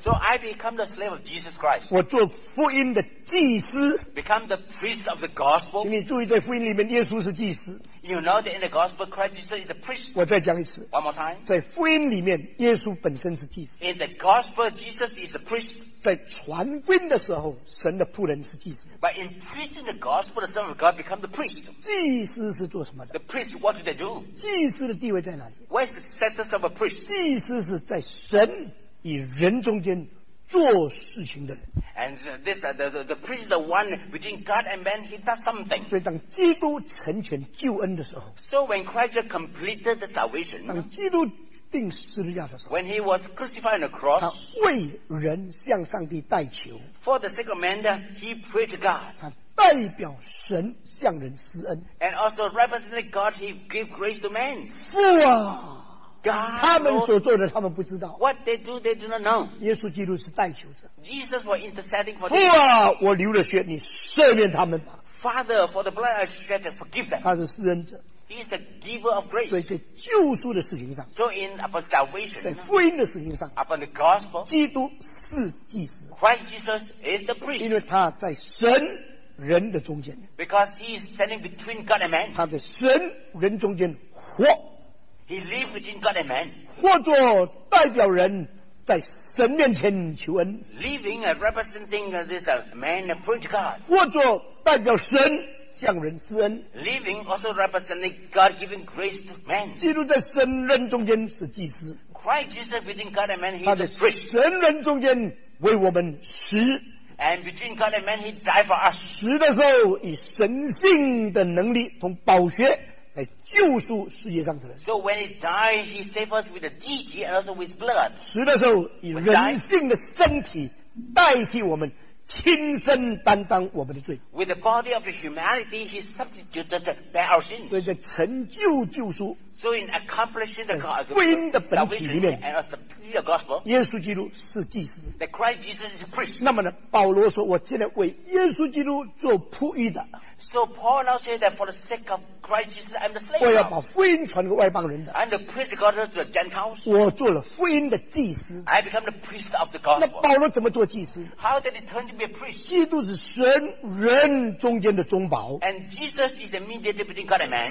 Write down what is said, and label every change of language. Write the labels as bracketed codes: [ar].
[en] so I become the slave of Jesus Christ. [zh] 我做福音的祭司， [en] become the priest of the gospel. [zh] 请你注意，在福音里面，耶稣是祭司。 [en] You know that in the gospel, Christ Jesus is a priest. [zh] 我再讲一次， [en] one more time. [zh] 在福音里面，耶稣本身是祭司。 [en] In the gospel, Jesus is a priest. [zh] 在传福音的时候，神的仆人是祭司。 [en] But in preaching the gospel, the son of God becomes the priest. [zh] 祭司是做什么的？ [en] The priest, what do they do? [zh] 祭司的地位在哪里？ [en] Where's the status of a priest? [zh] 祭司是在神与人中间做事情的人。 [en] And this, the priest is the one between God and man. He does something. [zh] 所以当基督成全救恩的时候， [en] So when Christ completed the salvation, [zh] 当基督定十字架的时候， [en] when he was crucified on the cross, [zh] 他为人向上帝代求， [en] for the sake of man, he prayed to God. [zh] 他代表神向人施恩， [en] and also represented God, he gave grace to man. [zh] 父啊， [en] God, [zh] 他们所做的他们不知道， [en] what they do, they do not know. [zh] 耶稣基督是代求者， [en] Jesus was interceding for them. [zh] 父啊， 我流了血，你赦免他们吧。 [en] Father, for the blood I shed, forgive them. [zh] 他是施恩者。 [en] He is the giver of grace. [zh] 所以在救赎的事情上， [en] so in upon salvation, [zh] 在福音的事情上， [en] upon the gospel, [zh] 基督是祭司。 [en] Christ Jesus is the priest. [zh] 因为他在神人的中间， [en] because he is standing between God and man. [zh] 他在神人中间活， [en] he lives between God and man. [zh] 或作代表人在神面前求恩， [en] living and representing this man and praying to God. [zh] 或作代表神向人施恩， [en] living also representing God giving grace to man. [zh] 基督在神人中间是祭司， [en] Christ Jesus between God and man, he is a priest. [zh] 他在神人中间为我们死， [en] and between God and man, he died for us. [zh] 死的时候以神性的能力同宝血来救赎世界上的人。 [en] So when he died, he saved us with the deity and also with blood. [zh] 死的时候以人性的身体代替我们，亲身担当我们的罪。 [en] With the body of the humanity, he substituted by our sins. [zh] 所以在成就救赎， [en] so in accomplishing the gospel, [zh] 福音的本体里面， [en] and as the purity of the gospel, [zh] 耶稣基督是祭司。 [en] That Christ Jesus is a priest. [zh] 那么呢，保罗说，我现在为耶稣基督做仆役的。 [en] So Paul now said that for the sake of Christ Jesus, I'm the slave. [zh] 我要把福音传给外邦人的。 [en] I'm the priest of God to the Gentiles. [zh] 我做了福音的祭司。 [en] I become the priest of the gospel. [zh] 那保罗怎么做祭司？ [en] How did he turn to be a priest? [zh] 基督是神人中间的中保。 [en] And Jesus is the mediator between God and man.